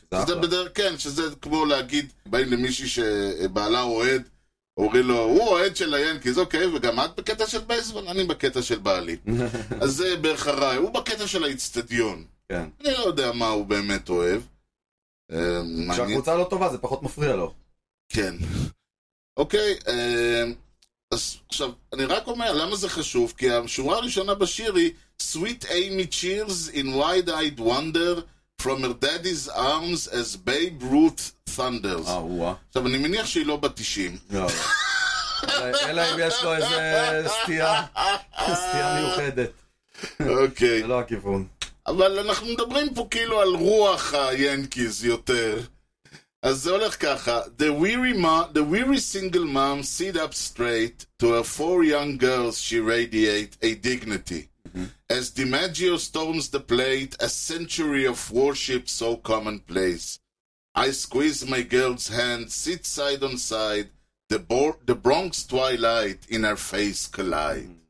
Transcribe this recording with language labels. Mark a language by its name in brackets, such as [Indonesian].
[Hebrew] שזה בדרך כן, שזה כמו להגיד, באים למישהי שבעלה אוהד, אומרים לו, הוא אוהד של היאנקי, זה אוקיי, וגם את בקטע של בייסבול, אני בקטע של בעלי. אז זה בערך הרעי, הוא בקטע של האצטדיון. כן. אני לא יודע מה הוא באמת אוהב. כשהקבוצה לא טובה, זה פחות מפריע לו. כן. אוקיי, אז עכשיו, אני רק אומר, למה זה חשוב? כי השורה הראשונה בשיר היא, [English] Sweet Amy cheers in wide-eyed wonder from her daddy's arms as Babe Ruth thunders. [Hebrew] עכשיו, אני מניח שהיא לא בתשעים. אלא אם יש לו איזה סטייה מיוחדת. אוקיי. זה לא הכיוון. אבל אנחנו מדברים פה כאילו על רוח היאנקיז יותר. אז זה הולך ככה. [English] The weary single mom sit up straight to her four young girls she radiate a dignity. As DiMaggio storms the plate, a century of worship so commonplace. I squeeze my girl's hand, sit side on side, the Bronx twilight in her face collide.